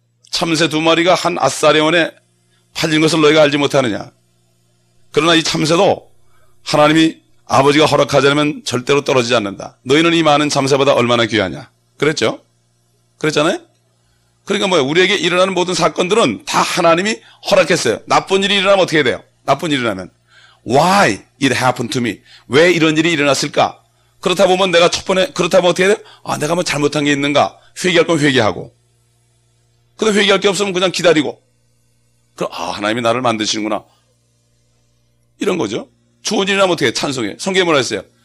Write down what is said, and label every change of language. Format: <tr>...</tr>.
<ko>참새 두 마리가 한 아사리온에 팔린 것을 너희가 알지 못하느냐? 그러나 이 참새도 하나님이 아버지가 허락하지 않으면 절대로 떨어지지 않는다. 너희는 이 많은 참새보다 얼마나 귀하냐? 그랬죠? 그랬잖아요? 그러니까 뭐야? 우리에게 일어나는 모든 사건들은 다 하나님이 허락했어요. 나쁜 일이 일어나면 어떻게 돼요? 나쁜 일이 일어나면</ko> <en>Why it happened to me?</en> <ko>왜 이런 일이 일어났을까? 그렇다 보면 내가 첫 번에 그렇다 보면 어떻게 돼요? 아, 내가 뭐 잘못한 게 있는가? 회개할 건 회개하고. 그럼 회개할 게 없으면 그냥 기다리고. 그럼 아, 하나님이 나를 만드시는구나. 이런 거죠. 좋은 일이라면 어떻게 해? 찬송해. 성경에 뭐라 했어요?</ko>